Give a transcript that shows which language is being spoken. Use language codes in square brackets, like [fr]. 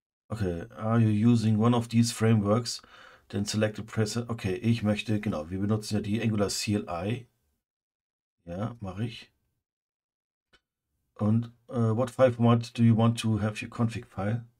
[en] Okay, are you using one of these frameworks? Then select a preset. [de] Okay, ich möchte, genau, wir benutzen ja die Angular CLI. Ja, mache ich. Und [en] what file format do you want to have your config file?